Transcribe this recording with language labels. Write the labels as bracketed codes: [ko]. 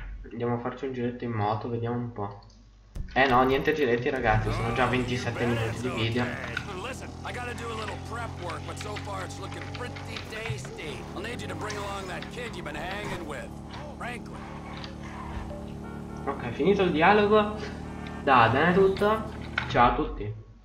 [it] Andiamo a farci un giretto in moto, vediamo un po'. Eh no, niente giretti ragazzi, sono già 27 minuti di video. [en] Listen, I gotta do a little prep work, but so far it's looking pretty tasty. I'll need you to bring along that kid you've been hanging with, Franklin. [it] Ok, finito il dialogo. Da, bene tutto. Ciao a tutti.